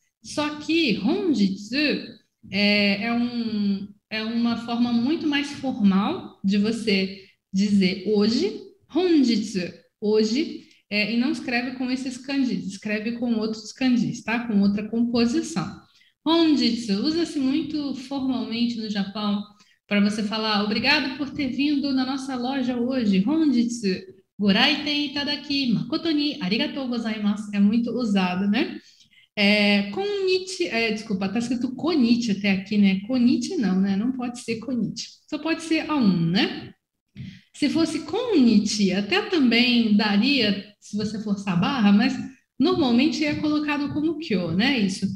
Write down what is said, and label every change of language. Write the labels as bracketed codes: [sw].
[pt] Só que honjitsu é uma forma muito mais formal de você dizer hoje, honjitsu, hoje, e não escreve com esses kanjis, escreve com outros kanjis, tá? Com outra composição. Honjitsu usa-se muito formalmente no Japão para você falar obrigado por ter vindo na nossa loja hoje. [ja] Honjitsu, ご来店いただき誠にありがとうございます。 [pt] É muito usado, né? Konnichi, desculpa, tá escrito konnichi até aqui, né? Konnichi não, né? Não pode ser konnichi. Só pode ser a um, né? Se fosse konnichi, até também daria, se você forçar a barra, mas normalmente é colocado como kyo, né? Isso.